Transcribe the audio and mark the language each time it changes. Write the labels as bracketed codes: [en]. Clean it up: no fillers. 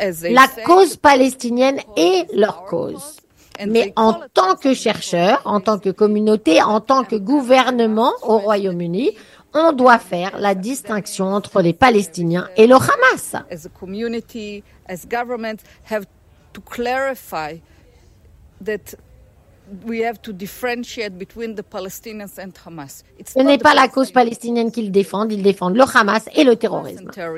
[fr] La cause palestinienne est leur cause. Mais en tant que chercheur, en tant que communauté, en tant que gouvernement au Royaume-Uni, on doit faire la distinction entre les Palestiniens et le Hamas. [en] As a community, as government, have to clarify that we have to differentiate between the Palestinians and Hamas. [fr] Ce n'est pas la cause palestinienne qu'ils défendent, ils défendent le Hamas et le terrorisme.